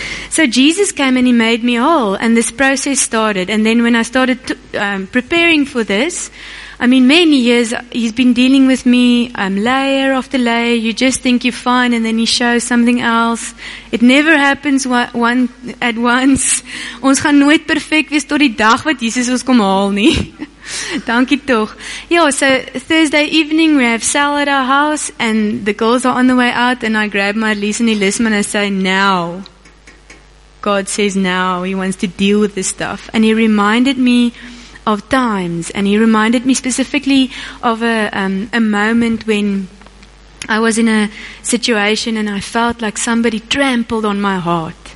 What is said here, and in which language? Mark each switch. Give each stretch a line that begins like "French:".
English: So Jesus came and he made me whole, and this process started. And then when I started preparing for this, I mean, many years he's been dealing with me, layer after layer. You just think you're fine, and then he shows something else. It never happens one at once.
Afrikaans: Ons gaan nooit perfect wees tot die dag wat Jesus ons kom haal nie. Dankie toch.
English: Yeah, so Thursday evening we have cell at our house, and the girls are on the way out, and I grab my Lisa and Elisman and I say, now. God says now, he wants to deal with this stuff. And he reminded me of times, and he reminded me specifically of a moment when I was in a situation and I felt like somebody trampled on my heart.